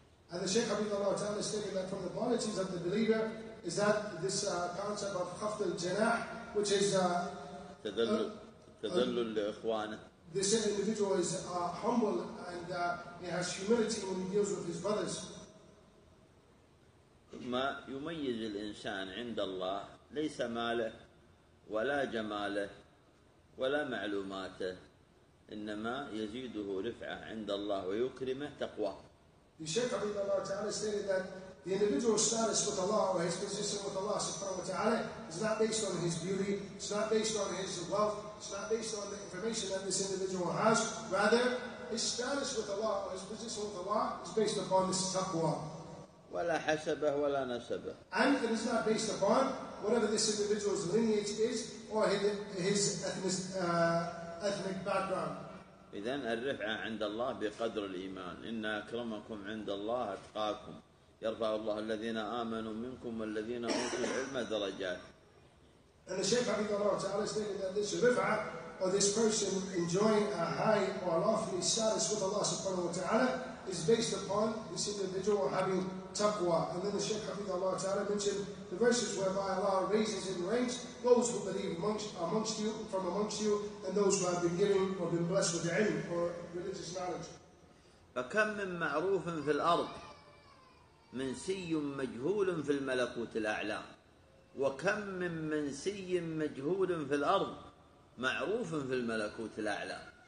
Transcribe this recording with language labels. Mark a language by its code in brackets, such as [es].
[en] And the Shaykh Hafidh Allah Ta'ala stated that from the qualities of the believer is that this concept of [ar] خفض الجناح, [en] which is [ar] تذلل لإخوانه. [en] This individual is humble and he has humility when he deals with his brothers. [ar] ما يميز الإنسان عند الله ليس ماله ولا جماله ولا معلوماته، إنما يزيده رفعة عند الله ويكرمه تقوى. [en] The Shaykh Abid Allah Ta'ala stated that the individual's status with Allah or his position with Allah subhanahu wa ta'ala is not based on his beauty, it's not based on his wealth, it's not based on the information that this individual has. Rather, his status with Allah or his position with Allah is based upon this taqwa. [ar] ولا حسبه ولا نسبه. [en] And it is not based upon whatever this individual's lineage is or his ethnic background. [ar] إذن الرفعة عند الله بقدر الإيمان. إن أكرمكم عند الله أتقاكم. يرفع الله الذين آمنوا منكم والذين أوتوا العلم درجات. [en] And the Shaykh Abid Allah Ta'ala stated that this rif'a, or this person enjoying a high or lofty status with Allah Subhanahu Wa Ta'ala, is based upon this individual having taqwa. And then the Shaykh Abid Allah Ta'ala mentioned the verses whereby Allah raises in ranks those who believe amongst you, from amongst you, and those who have been given or been blessed with ilm or religious knowledge. [ar] فَكَمْ مِنْ مَعْرُوفٍ فِي الْأَرْضِ مِنْ سِيٌّ مَجْهُولٌ فِي الْمَلَكُوتِ الْأَعْلَى وكم من منسي مجهول في الأرض معروف في الملكوت الأعلى.